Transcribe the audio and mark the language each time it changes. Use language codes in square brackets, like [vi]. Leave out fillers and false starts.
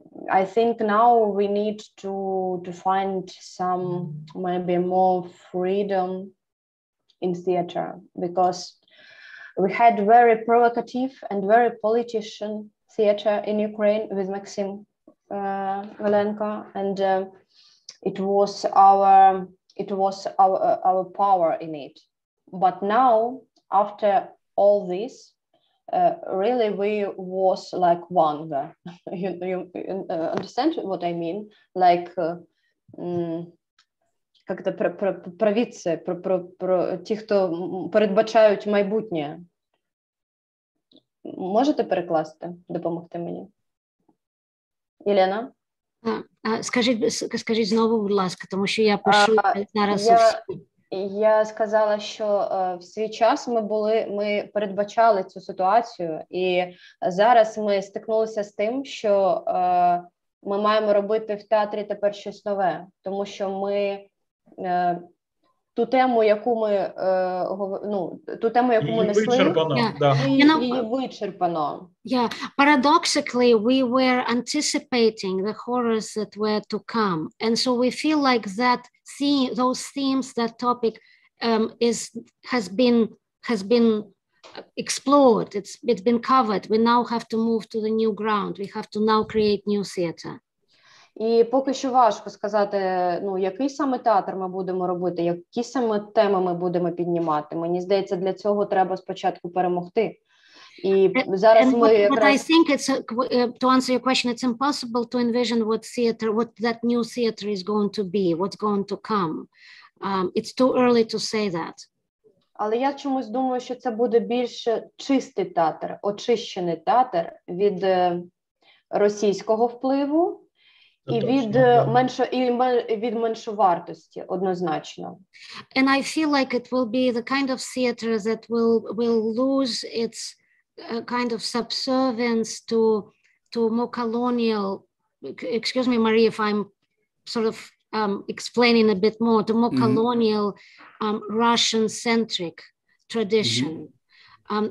[en] I think now we need to find some maybe more freedom in theater, because we had very provocative and very politician theater in Ukraine with Maxim Golenko, and it was our power in it. But now, after all this, really we was like one there. you understand what I mean? [uk] Like [ru] как-то провидцы, [uk] про ті, хто передбачають майбутнє. Можете перекласти, допомогти мені? Єлена? Скажіть знову, будь ласка, тому що я пишу зараз. Я сказала, що в свій час ми передбачали цю ситуацію, і зараз ми стикнулися з тим, що ми маємо робити в театрі тепер щось нове, тому що ми ту тему, яку ми несли, вичерпано. Yeah, paradoxically, we were anticipating the horrors that were to come, and so we feel like that theme, those themes, that topic, has been explored. It's been covered. We now have to move to the new ground. We have to now create new theater. І поки що важко сказати, який саме театр ми будемо робити, які саме теми ми будемо піднімати. Мені здається, для цього треба спочатку перемогти. І зараз [en] and [uk] ми [en] what, [uk] якраз... [en] what I think it's to answer your question, it's impossible to envision what theater, what that new theater is going to be, what's going to come. It's too early to say that. [uk] Але я чомусь думаю, що це буде більше чистий театр, очищений театр від російського впливу і від менше і від меншовартості однозначно. [en] And I feel like it will be the kind of theater that will lose its kind of subservience to more colonial, excuse me, Marie, if I'm sort of explaining a bit more, to more mm-hmm. colonial Russian-centric tradition. Mm-hmm.